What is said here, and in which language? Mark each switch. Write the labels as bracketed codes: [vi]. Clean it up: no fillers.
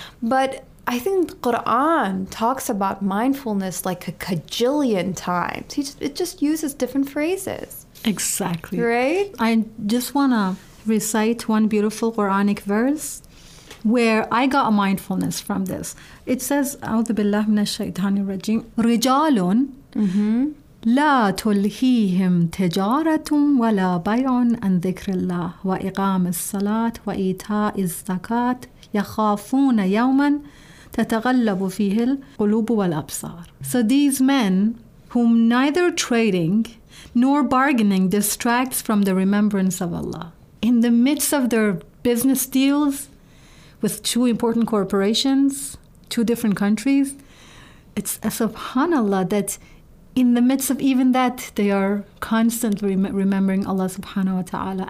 [en] But I think the Quran talks about mindfulness like a kajillion times. It just uses different phrases. Exactly. Right? I just want to recite one beautiful Quranic verse where I got mindfulness from this. It says, [ar] أعوذ بالله من الشيطان الرجيم رجال لا تلهيهم تجارة ولا بيع عن ذكر الله وإقام الصلاة وإيتاء الزكاة يخافون يوما تتغلب فيه القلوب والأبصار. [en] So these men, whom neither trading nor bargaining distracts from the remembrance of Allah, in the midst of their business deals with two important corporations, two different countries, it's a subhanAllah that in the midst of even that, they are constantly remembering Allah subhanahu wa ta'ala.